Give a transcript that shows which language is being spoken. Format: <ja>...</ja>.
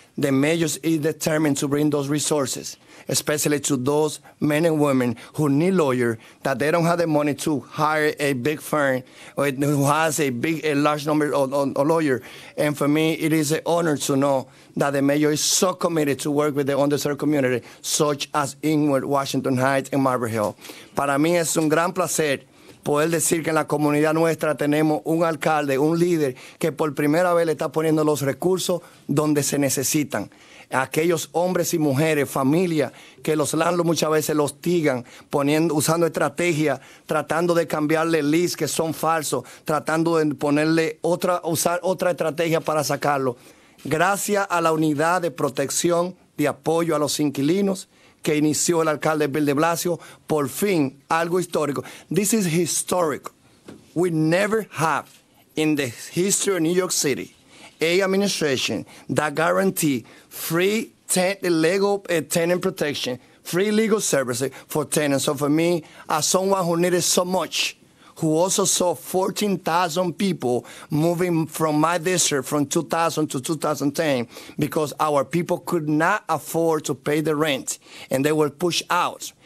<en>The mayor is determined to bring those resources, especially to those men and women who need lawyers, that they don't have the money to hire a big firm or who has a large number of lawyers. And for me, it is an honor to know that the mayor is so committed to work with the underserved community, such as Inwood, Washington Heights, and Marble Hill.</en> <es>Para mí es un gran placer poder decir que en la comunidad nuestra tenemos un alcalde, un líder, que por primera vez le está poniendo los recursos donde se necesitan. Aquellos hombres y mujeres, familias, que los landlords muchas veces los hostigan, usando estrategias, tratando de cambiarle leads que son falsos, tratando de usar otra estrategia para sacarlo. Gracias a la unidad de protección, de apoyo a los inquilinos, que inició el alcalde Bill de Blasio, por fin, algo histórico.</es> <en>This is historic. We never have in the history of New York City a administration that guarantee free tenant protection, free legal services for tenants. So for me, as someone who needed so much, who also saw 14,000 people moving from my district from 2000 to 2010 because our people could not afford to pay the rent and they were pushed out.</en>